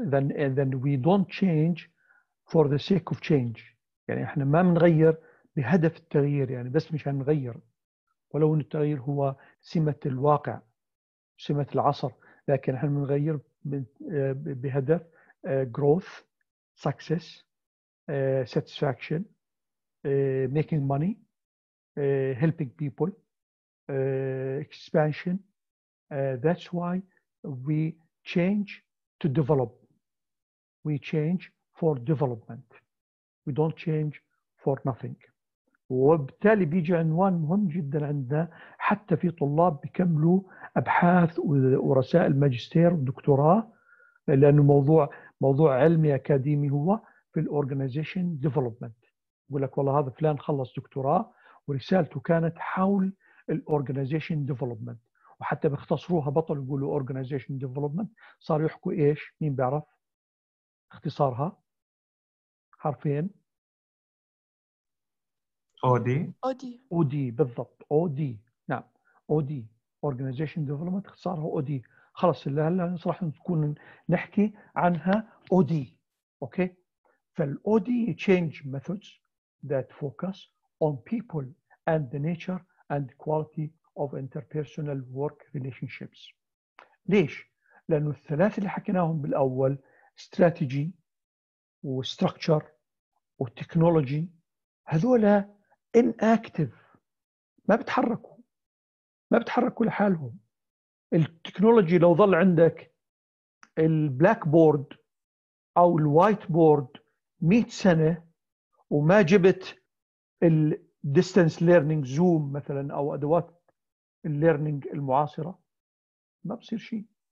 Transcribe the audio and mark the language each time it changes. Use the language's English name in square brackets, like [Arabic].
[English] اذا we don't change for the sake of change, [Arabic] يعني احنا ما بنغير بهدف التغيير, يعني بس مشان نغير, ولو ان التغيير هو سمه الواقع, سمه العصر, لكن احنا بنغير بهدف [English] growth, success, satisfaction, making money, helping people, expansion. That's why we change to develop. We change for development. We don't change for nothing. [Arabic] وبالتالي بيجي عنوان مهم جدا عندنا حتى في طلاب بيكملوا أبحاث ورسائل ماجستير ودكتوراه، لأنه موضوع علمي أكاديمي هو في الorganization development. يقول لك والله هذا فلان خلص دكتوراه ورسالته كانت حول الorganization development، وحتى بيختصروها بطل يقولوا organization development، صار يحكوا إيش؟ مين بيعرف اختصارها؟ حرفين [English] OD [Arabic] بالضبط. [English] OD [Arabic] نعم [English] OD organization development [Arabic] اختصارها [English] OD. [Arabic] خلاص اللي هلا نصرح نكون نحكي عنها OD. [English] Okay فالOD change methods that focus on people and the nature and quality of interpersonal work relationships. [Arabic] ليش؟ لأنه الثلاث اللي حكيناهم بالأول strategy و structure و technology هذولا inactive ما بتحركوا لحالهم. التكنولوجي لو ظل عندك البلاك بورد او الوايت بورد 100 سنه وما جبت الديستنس ليرنينج زوم مثلا او ادوات الليرنينج المعاصره ما بصير شيء.